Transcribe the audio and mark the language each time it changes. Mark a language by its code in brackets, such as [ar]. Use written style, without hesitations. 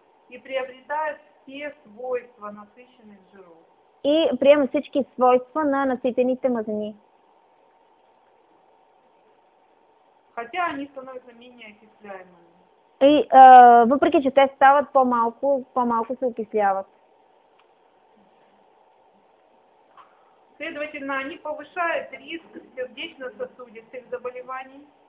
[ru] И приобретават все свойства насыщенных жиров. [bg] И приема всички свойства на наситените мазнини. [ru] Хотя они становятся менее окисляемыми. [bg] И въпреки, че те стават по-малко, по-малко се окисляват. [ru] Следовательно, они повышают риск сердечно-сосудистых заболеваний.